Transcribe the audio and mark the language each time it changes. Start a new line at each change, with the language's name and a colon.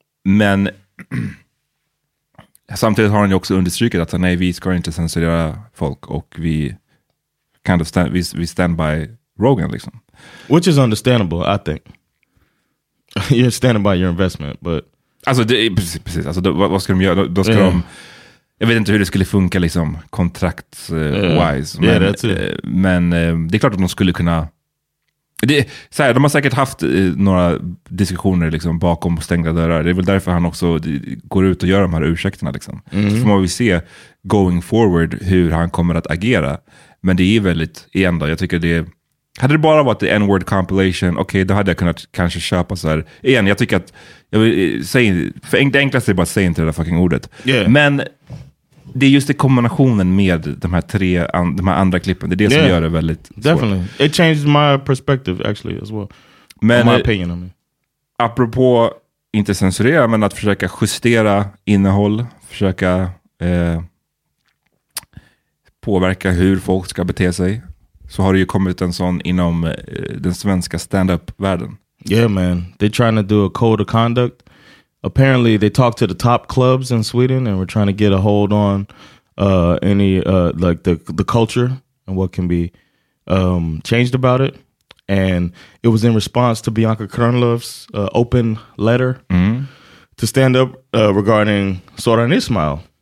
Swedish: Men samtidigt har han ju också understrykit att nej, vi ska inte censurera folk, och vi
English: kind of stand by
Swedish: Rogan liksom.
English: Which is understandable, I think. You're standing by your investment, but
Swedish: alltså det, precis, alltså vad ska de göra? Då ska jag vet inte hur det skulle funka liksom kontrakt wise,
English: yeah,
Swedish: men det är klart att de skulle kunna. Det, så här, de har säkert haft några diskussioner liksom bakom stängda dörrar. Det är väl därför han också går ut och gör de här ursäkterna liksom. Så får man väl se going forward hur han kommer att agera. Men det är väldigt, igen då, jag tycker det är, hade det bara varit the N-word compilation, okej, okay, då hade jag kunnat kanske köpa så här. Igen, jag tycker att jag vill, för det enklaste är bara att säga inte det där fucking ordet.
English: Yeah.
Swedish: Men det är just det, kombinationen med de här tre, de här andra klippen, det är det, yeah, som gör det väldigt svårt.
English: Definitely. It changed my perspective actually as well.
Swedish: Men
English: my opinion on me.
Swedish: Apropå inte censurera, men att försöka justera innehåll, försöka påverka hur folk ska bete sig, så har det ju kommit en sån inom den svenska stand-up-världen.
English: Yeah man, they're trying to do a code of conduct. Apparently, they talked to the top clubs in Sweden and were trying to get a hold on the culture and what can be changed about it. And it was in response to Bianca Kernlöf's open letter to stand up regarding Soran Ismail.